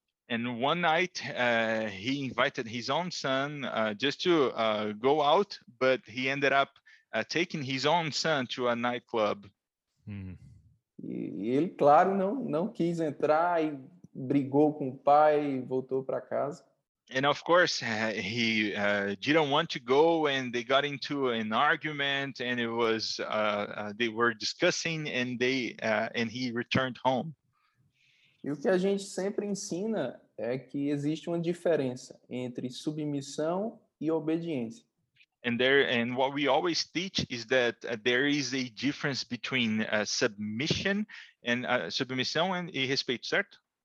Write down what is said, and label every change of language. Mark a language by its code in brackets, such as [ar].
[en] And one night he invited his own son just to go out, but he ended up taking his own son to a nightclub. [pt] E ele, claro, não quis entrar e brigou com o pai e voltou para casa. [en] And of course he didn't want to go, and they got into an argument, and it was they were discussing, and they and he returned home. [pt] E o que a gente sempre ensina é que existe uma diferença entre submissão e obediência. [en] And what we always teach is that there is a difference between submission and [pt] submissão e respeito, certo?